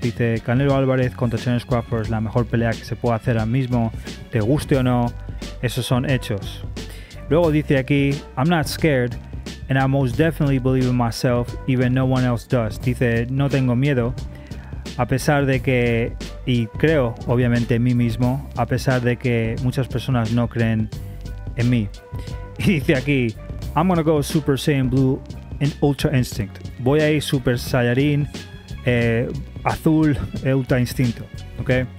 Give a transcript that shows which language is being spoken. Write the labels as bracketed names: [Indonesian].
[Spanish] Dice, Canelo Álvarez contra Terence Crawford es la mejor pelea que se puede hacer ahora mismo. Te guste o no, esos son hechos. Luego dice aquí, [English] I'm not scared and I most definitely believe in myself, even no one else does. [Spanish] Dice, no tengo miedo, a pesar de que, y creo obviamente en mí mismo, a pesar de que muchas personas no creen en mí. Y dice aquí, [English] I'm gonna go Super Saiyan Blue and Ultra Instinct. [Spanish] Voy a ir Super Saiyajin Azul Ultra Instinto. Ok.